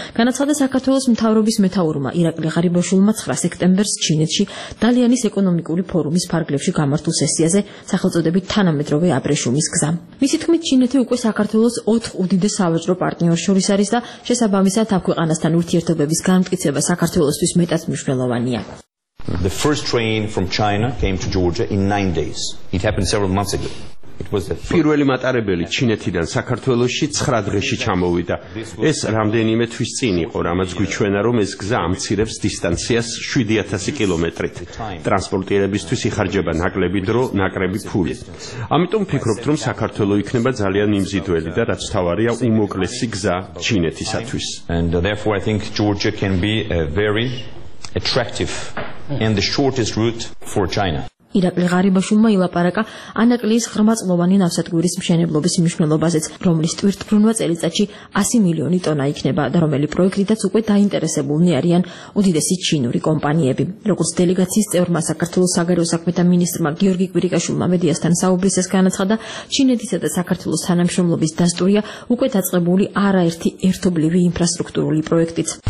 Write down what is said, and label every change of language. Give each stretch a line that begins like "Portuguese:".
Georgian: განაცხადა საქართველოს მთავრობის მეთაურმა ირაკლი ღარიბაშვილმა 9 სექტემბერს ჩინეთში, დალიანის ეკონომიკური ფორუმის ფარგლებში გამართულ სესიაზე სახელწოდებით თანამედროვე აბრეშუმის გზა. მისი თქმით, ჩინეთი უკვე საქართველოს 4 უდიდეს სავაჭრო პარტნიორს შორის არის და შესაბამისად აქ ქვეყანასთან ურთიერთობების განმტკიცება საქართველოსთვის მეტად მნიშვნელოვანია.
English: The first train from China came to Georgia in 9 days. It happened several months ago.
Georgian: პირველი მატარებელი ჩინეთიდან საქართველოში 9 დღეში ჩამოვიდა. ეს რამდენიმე თვის წინ იყო, რამაც გვიჩვენა, რომ ეს გზა ამცირებს დისტანციას 7000 კილომეტრით. ტრანსპორტირებისთვის იხარჯება ნაკლები დრო, ნაკლები ფული. ამიტომ ვფიქრობთ, რომ საქართველო იქნება ძალიან მიმზიდველი და რაც თავარია, უმოკლესი გზა ჩინეთისათვის.
English: And therefore I think Georgia can be very attractive and the shortest route for China.
Georgian: ირაკლი ღარიბაშვილმა ილაპარაკა ანაკლიის ღრმაწლოვანი ნავსადგურის მშენებლობის მნიშვნელობაზეც, რომლის ტვირთბრუნვა წელიწადში 100 მილიონი ტონა იქნება და რომელი პროექტითაც უკვე დაინტერესებულნი არიან უდიდესი ჩინური კომპანიები. როგორც დელეგაციის წევრმა საქართველოს საგარეო საქმეთა მინისტრმა გიორგი კვირიკაშვილმა მედიასთან საუბრის ეს განაცხადა, ჩინეთისა და საქართველოს თანამშრომლობის დასტურია უკვე დაწყებული არაერთი ერთობლივი ინფრასტრუქტურული პროექტიც.